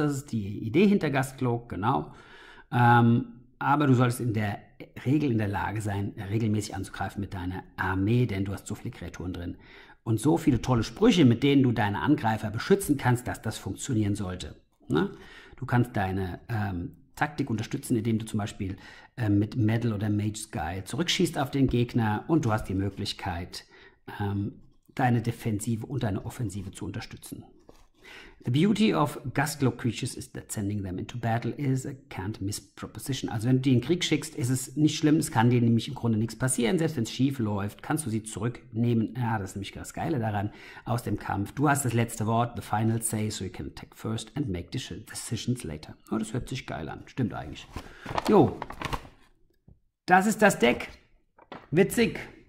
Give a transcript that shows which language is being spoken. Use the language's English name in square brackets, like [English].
[German] Das ist die Idee hinter Gastcloak, genau. Aber du solltest in der Regel in der Lage sein, regelmäßig anzugreifen mit deiner Armee, denn du hast so viele Kreaturen drin und so viele tolle Sprüche, mit denen du deine Angreifer beschützen kannst, dass das funktionieren sollte. Ne? Du kannst deine Taktik unterstützen, indem du zum Beispiel mit Medal oder Mage's Guide zurückschießt auf den Gegner und du hast die Möglichkeit, deine Defensive und deine Offensive zu unterstützen. [English] The beauty of Gastlocutius is that sending them into battle is a can't miss proposition. [German] Also wenn du die in den Krieg schickst, ist es nicht schlimm. Es kann dir nämlich im Grunde nichts passieren. Selbst wenn es schief läuft, kannst du sie zurücknehmen. Ja, das ist nämlich das Geile daran aus dem Kampf. Du hast das letzte Wort, [English] the final say, so you can attack first and make decisions later. [German] Oh, das hört sich geil an. Stimmt eigentlich. Jo, das ist das Deck. Witzig.